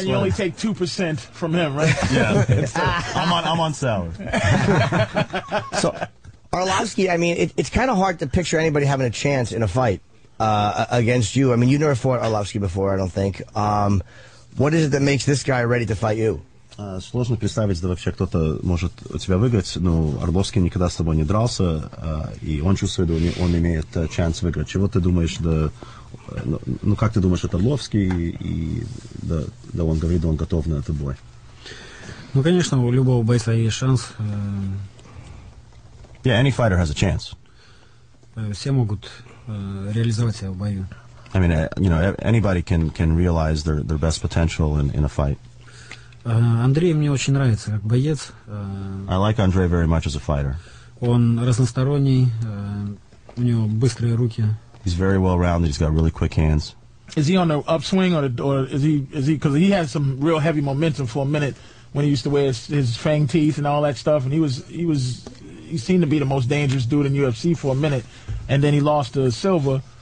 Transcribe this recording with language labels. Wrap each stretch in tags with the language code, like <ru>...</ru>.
<en>And you only take 2% from him, right? Yeah. I'm on salary. So... Arlovsky, I mean, it's kind of hard to picture anybody having a chance in a fight against you. I mean, you never fought Arlovsky before, I don't think. What is it that makes this guy ready to fight you?</en> <ru>Сложно представить, да вообще кто-то может у тебя выиграть. Но Арбовский никогда с тобой не дрался, и он чувствует, что он имеет шанс выиграть. Чего ты думаешь, да? Ну как ты думаешь, это Арлovsky и да он говорит, он готов на этот бой? Ну конечно, у любого бойца есть шанс.</ru> <en>Yeah, any fighter has a chance.</en> <ru>Все могут реализовать себя в бою.</ru> <en>I mean, you know, anybody can realize their best potential in a fight.</en> <ru>Андрей мне очень нравится как боец.</ru> <en>I like Andre very much as a fighter.</en> <ru>Он разносторонний, у него быстрые руки.</ru> <en>He's very well-rounded, he's got really quick hands. Is he on the upswing or is he, because he had some real heavy momentum for a minute when he used to wear his fang teeth and all that stuff, and he was... He seemed to be the most dangerous dude in UFC for a minute, and then he lost to Silva.</en>